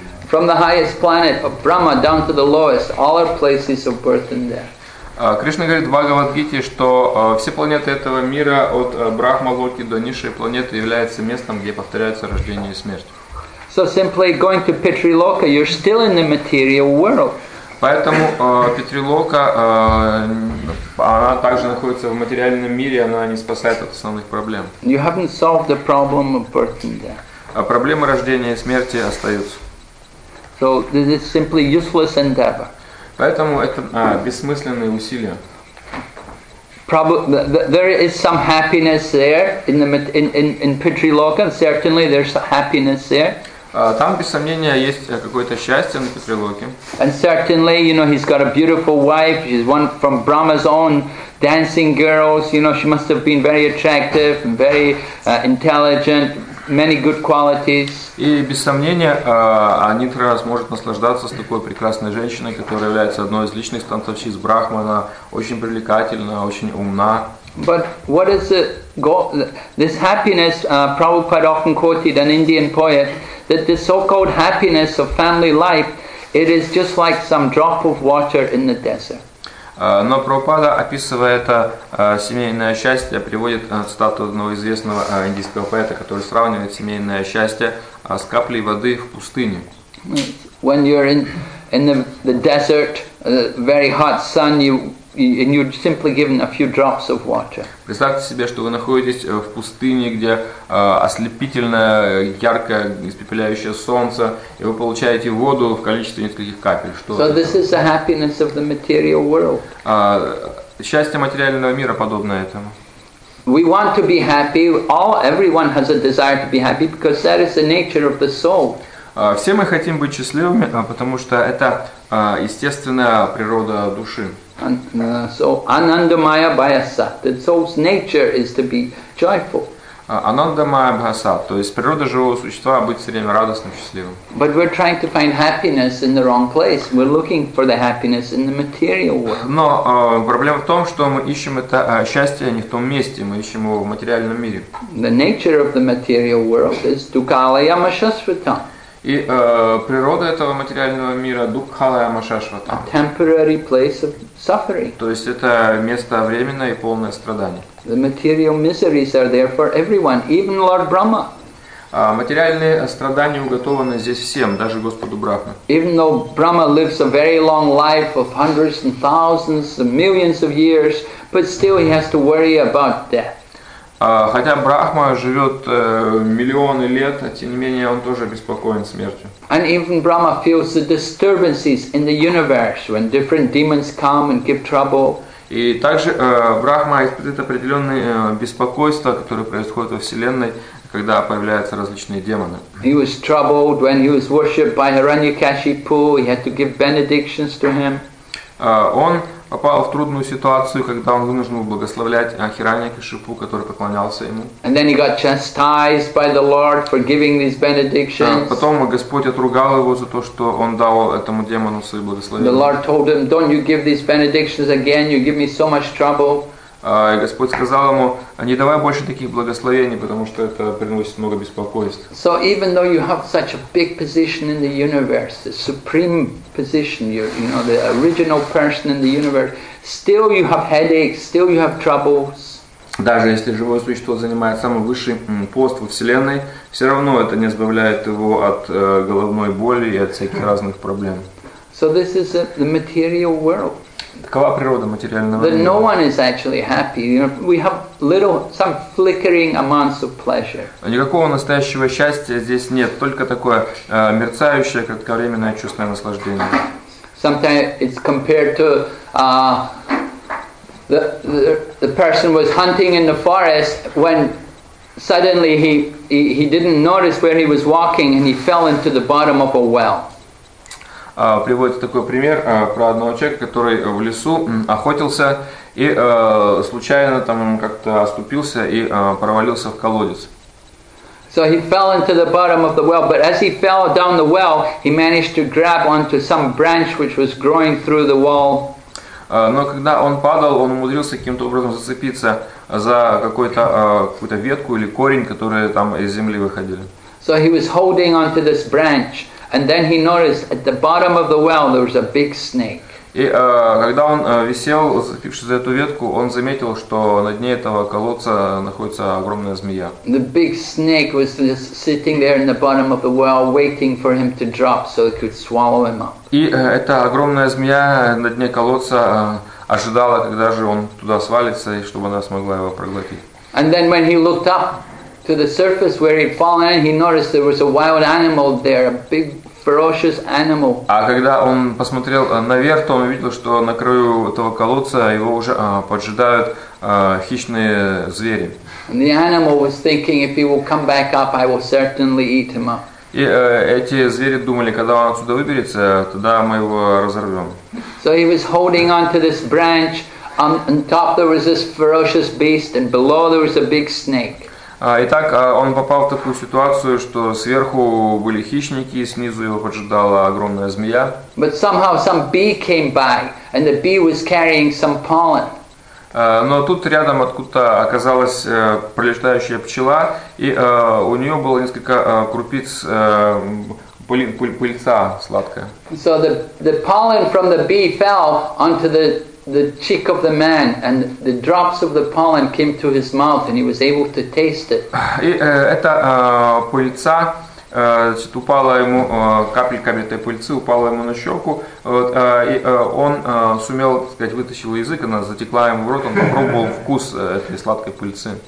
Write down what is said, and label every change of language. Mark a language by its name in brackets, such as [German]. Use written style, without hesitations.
[English] From the highest planet of Brahma down to the lowest, all are places of birth and death. [Russian] Кришна говорит в Бхагавад-гите, что все планеты этого мира от Брахмалоки до низшей планеты являются местом, где повторяются рождение и смерть. [English] So simply going to Pitriloka, you're still in the material world. [Russian] Поэтому Питрилока, она также находится в материальном мире, она не спасает от основных проблем. [English] You haven't solved the problem of birth and death. [Russian] А проблемы рождения и смерти остаются. [English] So this is simply useless endeavor. [Russian] Поэтому это бессмысленные усилия. [English] There is some happiness there in Pitriloka, certainly there's happiness there. [Russian] Там, без сомнения, есть какое-то счастье на Питрилоке. [English] And certainly, you know, he's got a beautiful wife, she's one from Brahma's own dancing girls, you know, she must have been very attractive and very intelligent. Many good qualities. [Russian] И без сомнения, Анитра сможет наслаждаться с такой прекрасной женщиной, которая является одной из личных танцовщиц Брахмана, очень привлекательна, очень умна. [English] But what is this happiness? Prabhupada often quoted an Indian poet that the so-called happiness of family life, it is just like some drop of water in the desert. [Russian] Но Прабхупада, описывая это семейное счастье, приводит цитату одного известного индийского поэта, который сравнивает семейное счастье с каплей воды в пустыне. [English] When you're in the desert, very hot sun, and you're simply given a few drops of water. [Russian] Представьте себе, что вы находитесь в пустыне, где ослепительное, яркое, испепеляющее солнце, и вы получаете воду в количестве нескольких капель. Что? [English] So this is the happiness of the material world. [Russian] Счастье материального мира подобно этому. [English] We want to be happy. Everyone has a desire to be happy because that is the nature of the soul. [Russian] Все мы хотим быть счастливыми, потому что это естественная природа души. [English] So Anandamaya Bhayasat, the soul's nature is to be joyful. [Russian] Anandamaya Bhayasat, то есть природа живого существа быть все время радостным, счастливым. [English] But we're trying to find happiness in the wrong place. We're looking for the happiness in the material world. [Russian] Но проблема в том, что мы ищем это счастье не в том месте, мы ищем его в материальном мире. [English] The nature of the material world is dukkhalayam ashashvatam. [Russian] И природа этого материального мира дукхалая машашвата. [English] Temporary place of suffering. [Russian] То есть это место временное и полное страдания. [English] The material miseries are there for everyone, even Lord Brahma. [Russian] Материальные страдания уготованы здесь всем, даже Господу Брахме. [English] Even though Brahma lives a very long life of hundreds and thousands and millions of years, but still he has to worry about death. [Russian] Хотя Брахма живет миллионы лет, тем не менее он тоже обеспокоен смертью. [English] And even Brahma feels the disturbances in the universe when different demons come and give trouble. [Russian] И также Брахма испытывает определенные беспокойства, которые происходят во Вселенной, когда появляются различные демоны. [English] He was troubled when he was worshipped by Hiranyakashipu. He had to give benedictions to him. [Russian] Он попал в трудную ситуацию, когда он вынужден был благословлять Хираньякашипу, который поклонялся ему. [English] And then he got chastised by the Lord for giving these benedictions. [Russian] Потом Господь отругал его за то, что он дал этому демону свои благословения. [English] The Lord told him, "Don't you give these benedictions again? You give me so much trouble." [Russian] И Господь сказал ему, не давай больше таких благословений, потому что это приносит много беспокойств. [English] So even though you have such a big position in the universe, the supreme position, you know, the original person in the universe, still you have headaches, still you have troubles. [Russian] Даже если живое существо занимает самый высший пост во Вселенной, все равно это не избавляет его от головной боли и от всяких разных проблем. [English] So this is the material world. [Russian] Такова природа материального мира. [English] No one is actually happy. You know, we have some flickering amounts of pleasure. [Russian] Никакого настоящего счастья здесь нет, только такое мерцающее, кратковременное чувство наслаждения. [English] Sometimes it's compared to the person was hunting in the forest when suddenly he didn't notice where he was walking and he fell into the bottom of a well. [Russian] Приводится такой пример про одного человека, который в лесу охотился и случайно там как-то оступился и провалился в колодец. [English] So he fell into the bottom of the well, but as he fell down the well, he managed to grab onto some branch which was growing through the wall. [Russian] Но когда он падал, он умудрился каким-то образом зацепиться за какую-то какую-то ветку или корень, которые там из земли выходили. [English] So he was holding onto this branch, and then he noticed at the bottom of the well there was a big snake. [Russian] И когда он висел, зацепившись за эту ветку, он заметил, что на дне этого колодца находится огромная змея. [English] The big snake was sitting there in the bottom of the well, waiting for him to drop so it could swallow him up. [Russian] И эта огромная змея на дне колодца ожидала, когда же он туда свалится, и чтобы она смогла его проглотить. [English] And then when he looked up to the surface where he'd fallen, he noticed there was a wild animal there, a big ferocious animal. [Russian] А когда он посмотрел наверх, то он увидел, что на краю этого колодца его уже поджидают хищные звери. [English] And the animal was thinking, if he will come back up, I will certainly eat him up. [Russian] И эти звери думали, когда он отсюда выберется, тогда мы его разорвем. [English] So he was holding on to this branch. On top there was this ferocious beast, and below there was a big snake. [Russian] Итак, он попал в такую ситуацию, что сверху были хищники, и снизу его поджидала огромная змея. [English] But somehow some bee came by, and the bee was carrying some pollen. [Russian] Но тут рядом откуда-то оказалась пролетающая пчела, и у нее было несколько крупиц пыльца сладкая. [English] So the pollen from the bee fell onto the cheek of the man, and the drops of the pollen came to his mouth, and he was able to taste it. [Russian] И эта пыльца упала ему, капельками этой пыльцы упала ему на щеку, и он сумел, так сказать, вытащил язык, она затекла ему в рот, он попробовал вкус этой сладкой пыльцы.